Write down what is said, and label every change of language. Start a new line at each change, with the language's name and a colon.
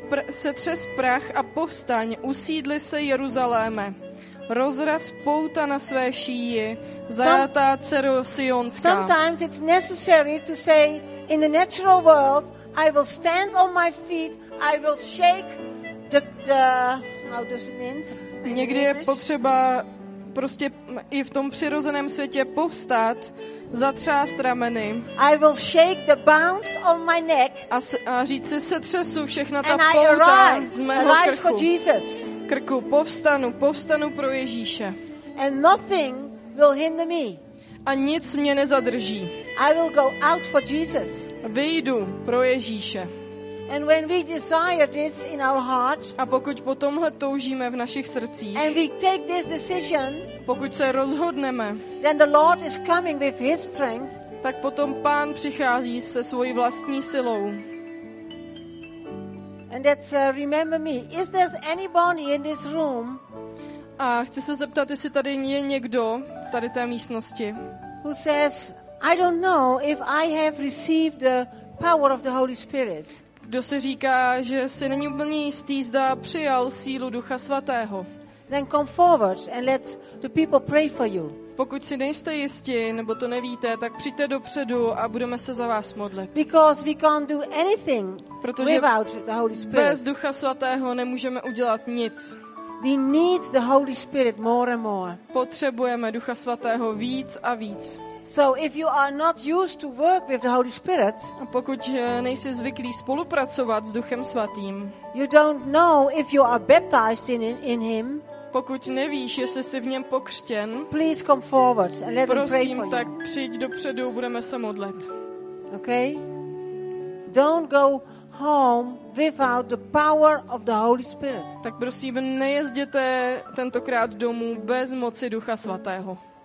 Czech: Setřes prach a povstaň, usídli se Jeruzaléme. Rozraz pouta na své šíji, zajatá dcero Sionská.
English: Sometimes it's necessary to say in the natural world, I will stand on my feet, I will shake the how does it mean?
Czech: Někdy je potřeba prostě i v tom přirozeném světě povstat, zatřást rameny.
English: I will shake the bounds on my neck.
Czech: A říct si, se třesu všechna ta pouta z mého krku. Povstanu pro Ježíše.
English: And nothing will hinder me.
Czech: A nic mě nezadrží.
English: I will go out for Jesus.
Czech: Vyjdu pro Ježíše.
English: And when we desire this in our heart,
Czech: a pokud po tomhle toužíme v našich srdcích,
English: and we take this decision,
Czech: pokud se rozhodneme,
English: then the Lord is coming with his strength,
Czech: tak potom Pán přichází se svojí vlastní silou.
English: And that's remember me. Is there anybody in this room?
Czech: A chci se zeptat, jestli tady je někdo v tady té místnosti.
English: Who says, I don't know if I have received the power of the Holy Spirit.
Czech: Kdo se říká, že si není úplně jistý, zda přijal sílu Ducha Svatého.
English: Then come forward and let the people pray for you.
Czech: Pokud si nejste jistí, nebo to nevíte, tak přijďte dopředu a budeme se za vás modlit.
English: Because we can't do anything without the Holy Spirit.
Czech: Bez Ducha Svatého nemůžeme udělat nic.
English: We need the Holy Spirit more and more.
Czech: Potřebujeme Ducha Svatého víc a víc.
English: So if you are not used to work with the Holy Spirit,
Czech: pokud nejsi zvyklý spolupracovat s Duchem Svatým,
English: you don't know if you are baptized in him,
Czech: pokud nevíš, jestli jsi v něm pokřtěn,
English: please come forward and let
Czech: prosím,
English: him pray for you.
Czech: Tak přijď dopředu, budeme se modlit.
English: Okay? Don't go home without the power of the Holy Spirit.
Czech: Tak prosím, nejezděte tentokrát domů bez moci Ducha Svatého.